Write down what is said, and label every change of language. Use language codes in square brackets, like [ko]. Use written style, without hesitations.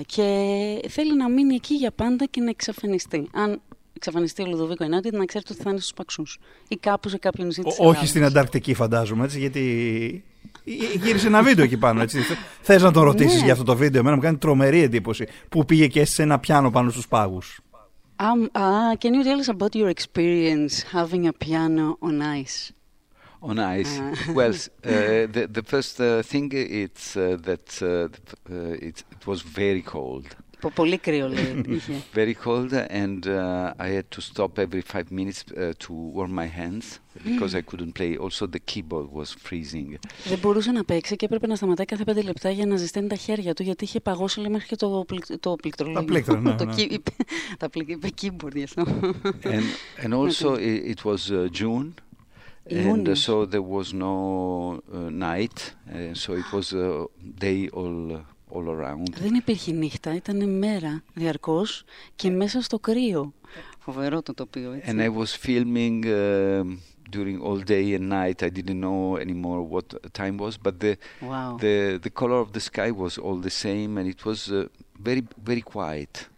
[el] Και θέλει να μείνει εκεί για πάντα και να εξαφανιστεί. Αν εξαφανιστεί ο Λουντοβίκο Εϊνάουντι, να ξέρετε ότι θα είναι στους Παξούς. Ή κάπου σε κάποιο νησί της Ελλάδας. Όχι στην Ανταρκτική, φαντάζομαι, έτσι, γιατί γύρισε ένα βίντεο εκεί πάνω, έτσι. Θες να το ρωτήσεις για αυτό το βίντεο? Εμένα μου κάνει τρομερή εντύπωση που πήγε και έστεισε ένα πιάνο πάνω στους πάγους. [en] Can you tell us about your experience having a piano on ice? On ice? Well, the first thing it's that it was very cold. [el] Πολύ κρύο, λέει. [en] Very cold, and I had to stop every 5 minutes to warm my hands because I couldn't play. Also, the keyboard was freezing. [el] Δεν μπορούσε να παίξει και έπρεπε να σταματάει κάθε 5 λεπτά για να ζεσταίνει τα χέρια του, γιατί είχε παγώσει, λέει, μέχρι και το πληκτρολόγιο. Τα πλήκτρο, ναι. Τα πλήκτρο, είπε keyboard, γι' αυτό. [en] And also, it was June. And so there was no night, so it was day all around. [el] Δεν υπήρχε νύχτα, ήταν μέρα διαρκώς και μέσα στο κρύο. Φοβερό το τοπίο, έτσι. [en] And I was filming during all day and night. I didn't know anymore what time was, but the color of the sky was all the same, and it was very very quiet.